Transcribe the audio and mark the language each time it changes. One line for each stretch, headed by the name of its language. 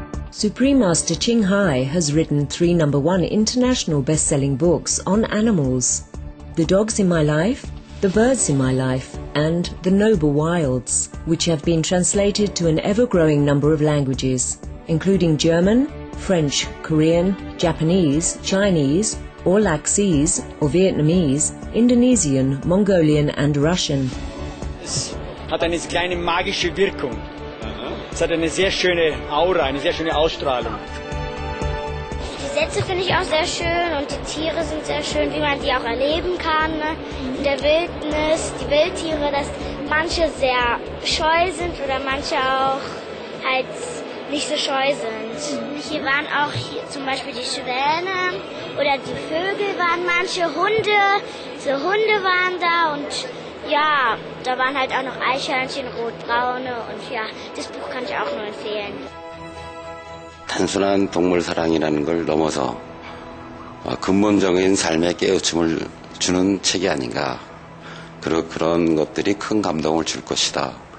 English: Supreme Master Ching Hai has written 3 number one international best-selling books on animals: The Dogs in My Life, The Birds in My Life, and The Noble Wilds, which have been translated to an ever-growing number of languages, including German, French, Korean, Japanese, Chinese, Orlaxese or Vietnamese, Indonesian, Mongolian and Russian.
German: Es hat eine kleine magische Wirkung. Es hat eine sehr schöne Aura, eine sehr schöne Ausstrahlung. Die Sätze finde ich auch sehr schön und die Tiere sind sehr schön, wie man die auch erleben kann, ne? In der Wildnis, die Wildtiere, dass manche sehr scheu sind oder manche auch halt nicht so scheu sind. Hier waren auch hier zum Beispiel die Schwäne oder die Vögel waren manche, Hunde, so Hunde waren da und ja, da waren halt auch noch Eichhörnchen, Rotbraune und ja, das Buch kann ich auch nur empfehlen.
Korean: 단순한 동물 사랑이라는 걸 넘어서 근본적인 삶의 깨우침을 주는 책이 아닌가. 그런 것들이 큰 감동을 줄 것이다.